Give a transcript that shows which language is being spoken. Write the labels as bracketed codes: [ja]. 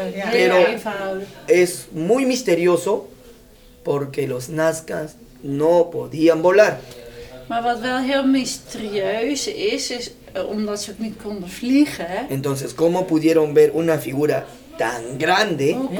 [es] Pero es muy misterioso porque los nazcas no podían volar. [nl] Maar wat wel heel mysterieus is omdat ze ook niet konden vliegen. [es] Entonces, ¿cómo pudieron ver una figura tan grande?